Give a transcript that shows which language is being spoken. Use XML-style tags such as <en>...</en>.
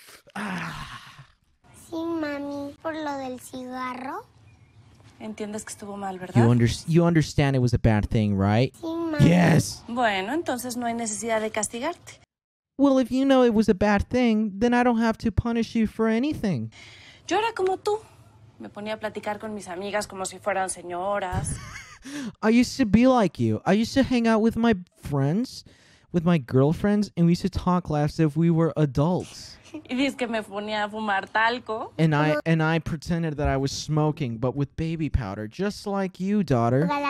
<es>Sí, mami, por lo del cigarro. Entiendes que estuvo mal, ¿verdad?</es> <en>You understand it was a bad thing, right?</en> <es>Sí, mami.</es> <en>Yes.</en> <es>Bueno, entonces no hay necesidad de castigarte.</es> <en>Well, if you know it was a bad thing, then I don't have to punish you for anything.</en> <es>Yo era como tú. Me ponía a platicar con mis amigas como si fueran señoras.</es> <en>I used to be like you. I used to hang out with my friends, with my girlfriends, and we used to talk as if we were adults.</en> <es>Y dices que me ponía a fumar talco.</es> <en>And I pretended that I was smoking, but with baby powder, just like you, daughter.</en>